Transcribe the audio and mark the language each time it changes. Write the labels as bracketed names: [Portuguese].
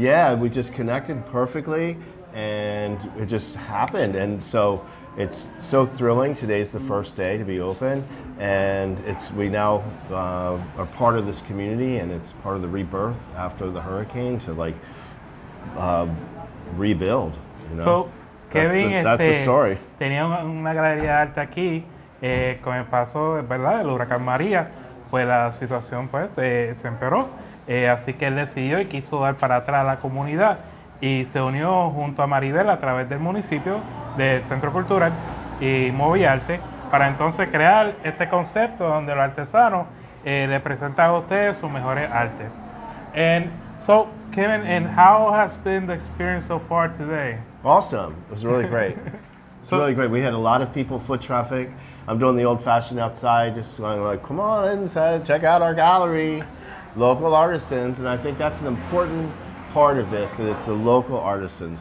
[English] Yeah, we just connected perfectly, and it just happened. And so it's so thrilling. Today's the first day to be open, and we now are part of this community, and it's part of the rebirth after the hurricane to like rebuild. You know? So, Kevin, that's the story. [Spanish] Tenía una galería de arte aquí con el paso, ¿verdad? El huracán María, pues la situación pues se empeoró, así que él decidió y quiso dar para atrás a la comunidad. Y se unió junto a Maribel a través del municipio, del Centro Cultural y Movi Arte, para entonces crear este concepto donde los artesanos le presentan a ustedes sus mejores artes. [English] And so, Kevin, and how has been the experience so far today? Awesome. It was really great. It's so, really great. We had a lot of people, foot traffic. I'm doing the old-fashioned outside, just going like, come on inside, check out our gallery. Local artisans, and I think that's an important part of this, that it's the local artisans.